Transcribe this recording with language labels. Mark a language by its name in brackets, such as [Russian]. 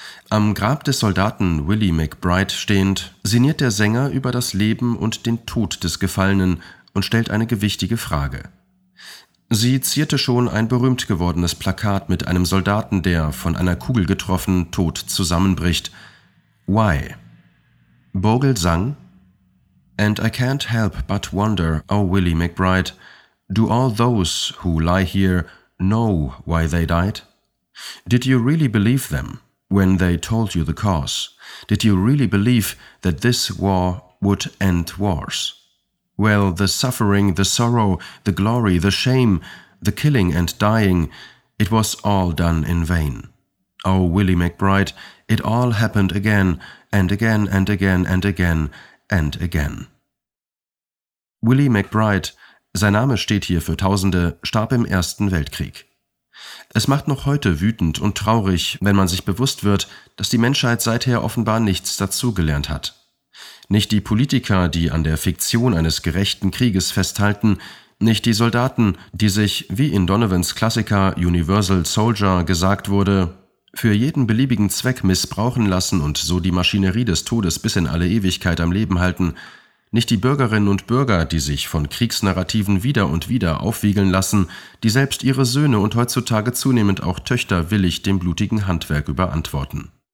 [German] Am Grab des Soldaten Willie McBride stehend, sinniert der Sänger über das Leben und den Tod des Gefallenen und stellt eine gewichtige Frage. Sie zierte schon ein berühmt gewordenes Plakat mit einem Soldaten, der, von einer Kugel getroffen, tot zusammenbricht. [English] Why? Bogle sang, And I can't help but wonder, O Willie McBride, do all those who lie here know why they died? Did you really believe them when they told you the cause? Did you really believe that this war would end wars? Well, the suffering, the sorrow, the glory, the shame, the killing and dying, it was all done in vain. O Willie McBride, it all happened again, and again, and again, and again, and again. [German] Willie McBride, sein Name steht hier für Tausende, starb im Ersten Weltkrieg. Es macht noch heute wütend und traurig, wenn man sich bewusst wird, dass die Menschheit seither offenbar nichts dazugelernt hat. Nicht die Politiker, die an der Fiktion eines gerechten Krieges festhalten, nicht die Soldaten, die sich, wie in Donovans Klassiker Universal Soldier gesagt wurde, für jeden beliebigen Zweck missbrauchen lassen und so die Maschinerie des Todes bis in alle Ewigkeit am Leben halten, nicht die Bürgerinnen und Bürger, die sich von Kriegsnarrativen wieder und wieder aufwiegeln lassen, die selbst ihre Söhne und heutzutage zunehmend auch Töchter willig dem blutigen Handwerk überantworten.